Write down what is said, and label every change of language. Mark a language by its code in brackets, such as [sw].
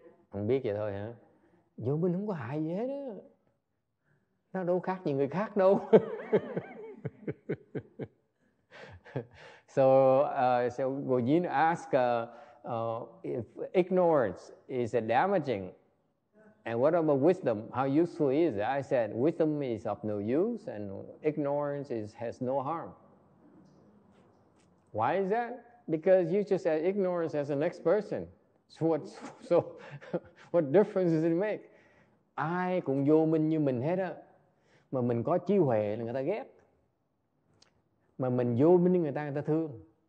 [vi] Không biết vậy thôi hả? Vô minh không có hại gì hết á. Nó đâu khác gì người khác đâu. [en] So Gojin ask if ignorance is damaging and what about wisdom? How useful is it? I said wisdom is of no use and ignorance has no harm. Why is that? Because you just said ignorance as the next person. So what difference does it make? [vi] Ai cũng vô minh như mình hết á. Mà mình có trí huệ là người ta ghét. Mà mình vô minh như người ta thương.